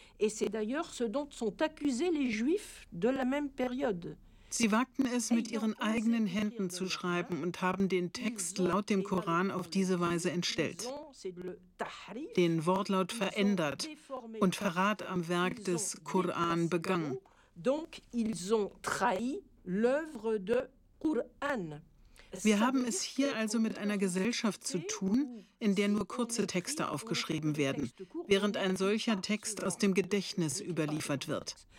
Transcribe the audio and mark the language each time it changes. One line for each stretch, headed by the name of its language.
German: Sie wagten es, mit ihren eigenen Händen zu schreiben und haben den Text laut dem Koran auf diese Weise entstellt, den Wortlaut verändert und Verrat am Werk des Koran begangen.
French: Donc ils ont trahi l'œuvre de Koran.
German: Wir haben es hier also mit einer Gesellschaft zu tun, in der nur kurze Texte aufgeschrieben werden, während ein solcher Text aus dem Gedächtnis überliefert wird.